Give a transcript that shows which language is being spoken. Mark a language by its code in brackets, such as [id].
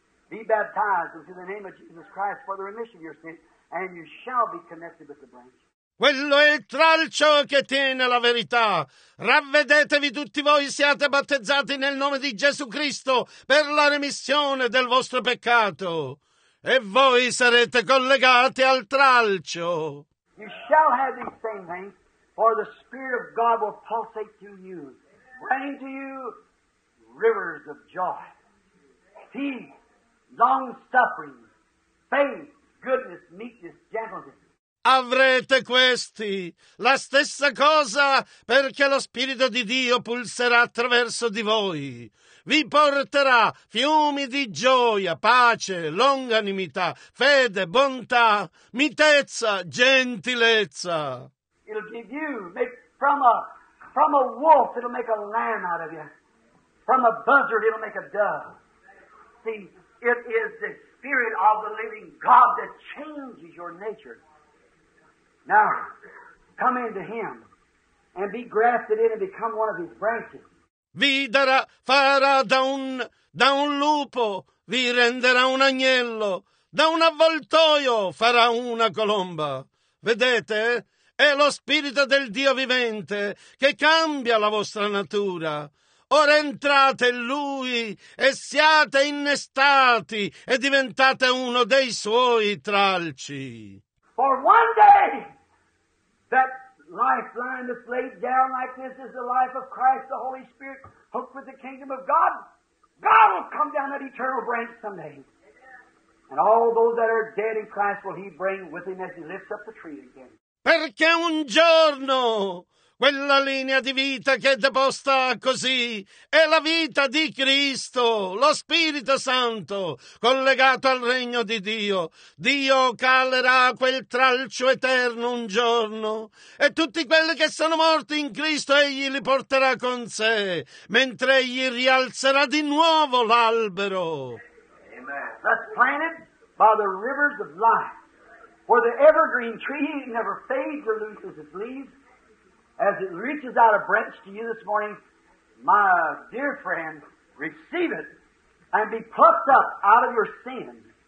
[en] Be baptized into the name of Jesus Christ for the remission of your sins, and you shall be connected with the branch. [it] Quello è il tralcio che tiene la verità. Ravvedetevi tutti voi, siate battezzati nel nome di Gesù Cristo per la remissione del vostro peccato. E voi sarete collegati al tralcio. [en] You shall have these same things, for the Spirit of God will pulsate through you, bring to you rivers of joy, peace, long suffering, faith, goodness, meekness, gentleness. [it] Avrete questi, la stessa cosa, perché lo Spirito di Dio pulserà attraverso di voi. Vi porterà fiumi di gioia, pace, longanimità, fede, bontà, mitezza, gentilezza. [en] It'll give you, make, from a wolf, it'll make a lamb out of you. From a buzzard, it'll make a dove. See, it is the Spirit of the living God that changes your nature. Now, come into him and be grafted in and become one of his branches. [it] Vi darà, farà da un lupo, vi renderà un agnello. Da un avvoltoio farà una colomba. Vedete? È lo Spirito del Dio vivente che cambia la vostra natura. Ora entrate in Lui e siate innestati e diventate uno dei Suoi tralci. [en] For one day, that lifeline that's laid down like this is the life of Christ, the Holy Spirit, hooked with the kingdom of God. God will come down that eternal branch someday. And all those that are dead in Christ will He bring with Him as He lifts up the tree again. [it] Perché un giorno quella linea di vita che è deposta così è la vita di Cristo, lo Spirito Santo, collegato al regno di Dio. Dio calerà quel tralcio eterno un giorno e tutti quelli che sono morti in Cristo Egli li porterà con sé, mentre Egli rialzerà di nuovo l'albero. [en] Amen. Let's plant it by the rivers of life, where the evergreen tree never fades or loses its leaves. As it reaches out a branch to you this morning, my dear friend, receive it and be plucked up out of your sin.